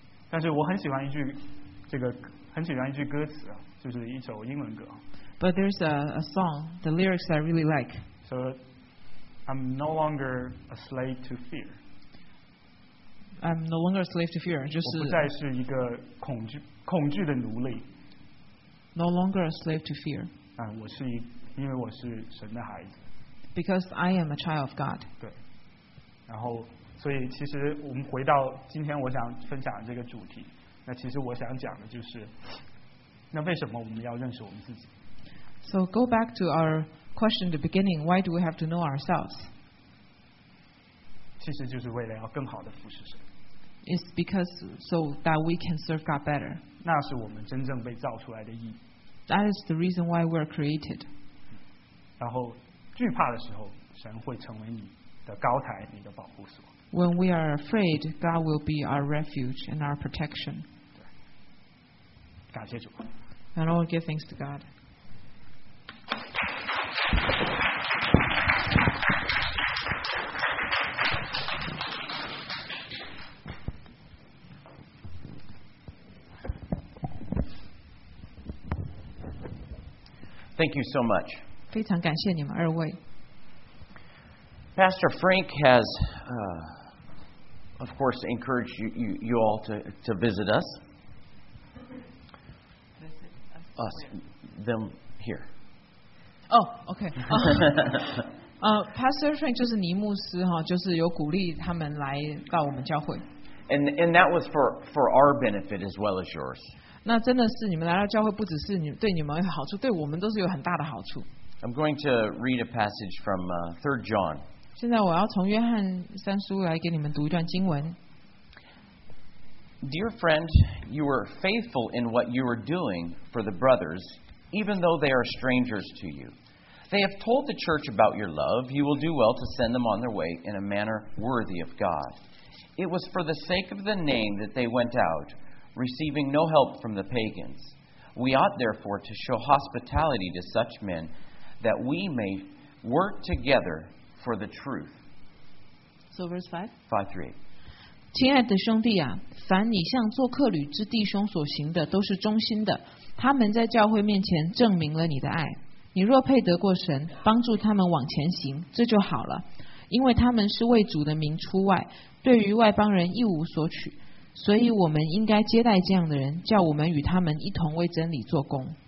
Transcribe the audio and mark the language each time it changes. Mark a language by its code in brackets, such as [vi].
[zh] 但是我很喜欢一句这个很喜欢一句歌词，就是一首英文歌。 [en] But there's a song, the lyrics I really like. So, I'm no longer a slave to fear. I'm no longer a slave to fear. 就是 [zh] 我不再是一个恐惧的奴隶。 [en] No longer a slave to fear. [zh] 我是因为我是神的孩子。 [en] Because I am a child of God. [zh] 对。然后，所以其实我们回到今天我想分享这个主题，那其实我想讲的就是，那为什么我们要认识我们自己？ [en] So go back to our question at the beginning. Why do we have to know ourselves? [zh] 其实就是为了要更好的服侍神。 [en] It's because so that we can serve God better. [zh] 那是我们真正被造出来的意义。 [en] That is the reason why we're created. [zh] 然后惧怕的时候，神会成为你的高台，你的保护所。 [en] When we are afraid, God will be our refuge and our protection. [zh] 感谢主。 [en] And all give thanks to God. Thank you so much. [zh] 非常感谢你们二位。 [en] Pastor Frank has, of course, encouraged you all to visit us. Us, them here. [zh] Oh, okay. Pastor Frank 就是尼牧师哈，就是有鼓励他们来到我们教会。 [en] And that was for our benefit as well as yours. [zh] 那真的是你们来到教会，不只是你对你们有好处，对我们都是有很大的好处。 [en] I'm going to read a passage from Third John. [zh] 现在我要从约翰三书来给你们读一段经文。 [en] Dear friend, you were faithful in what you were doing for the brothers. Even though they are strangers to you, they have told the church about your love. You will do well to send them on their way in a manner worthy of God. It was for the sake of the name that they went out, receiving no help from the pagans. We ought therefore to show hospitality to such men that we may work together for the truth. So verse 5? 5:3. [zh] 亲爱的兄弟啊，凡你向做客旅之弟兄所行的都是忠心的，他们在教会面前证明了你的爱，你若配得过神帮助他们往前行，这就好了，因为他们是为主的名出外，对于外邦人一无所取，所以我们应该接待这样的人，叫我们与他们一同为真理做工。